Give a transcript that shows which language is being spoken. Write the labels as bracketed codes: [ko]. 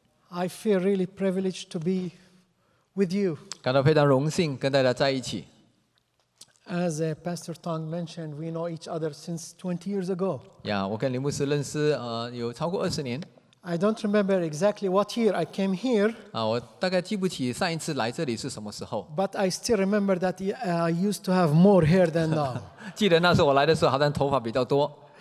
[en] I feel really privileged to be with you. [zh] 感到非常荣幸跟大家在一起。 [en] As Pastor Tong mentioned, we know each other since 20 years ago. [zh] Yeah, 我跟林牧师认识有超过20年。 [en] I don't remember exactly what year I came here. [zh] 我大概记不起上一次来这里是什么时候。 [en] But I still remember that I used to have more hair than now. [zh] 记得那时候我来的时候好像头发比较多。